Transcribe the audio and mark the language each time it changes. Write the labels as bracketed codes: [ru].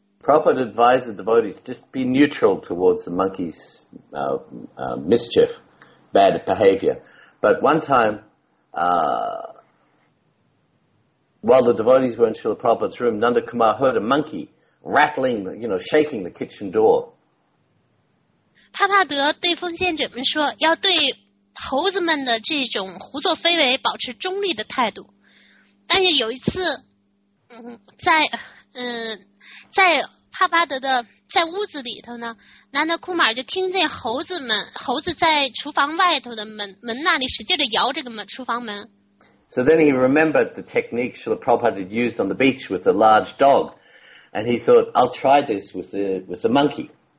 [en] Prabhupada advised the devotees just be neutral towards the monkeys' mischief, bad behavior. But one time, while the devotees were in Srila Prabhupada's room, Nanda Kumar heard a monkey rattling, shaking the kitchen door. [zh] 帕帕德对奉献者们说，要对猴子们的这种胡作非为保持中立的态度。但是有一次，在 帕帕德的在屋子里头呢，南达库马尔就听见猴子在厨房外头的门那里使劲的摇这个门厨房门。 [en] So then he remembered the technique Srila Prabhupada had used on the beach with a large dog, and he thought, I'll try this with the monkey.